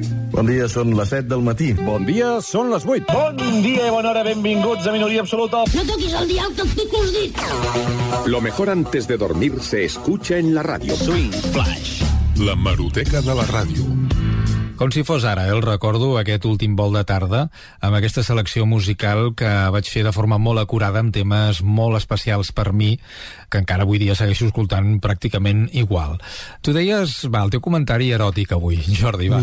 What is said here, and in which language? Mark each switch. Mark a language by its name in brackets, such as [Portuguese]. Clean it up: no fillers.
[Catalan] Bon dia, són les 7 del matí. Bon dia, són les 8. Bon dia i bona hora, benvinguts a Minoria Absoluta. No toquis el dial, que et pico els dits. [Spanish] Lo mejor antes de dormir se escucha en la ràdio. [English] Swing Flash. [Catalan] La Maroteca de la Ràdio. Com si fos ara, el recordo aquest últim Vol de Tarda amb aquesta selecció musical que vaig fer de forma molt acurada amb temes molt especials per mi, que encara avui dia segueixo escoltant pràcticament igual. Tu deies, va, el teu comentari eròtic avui, Jordi, va.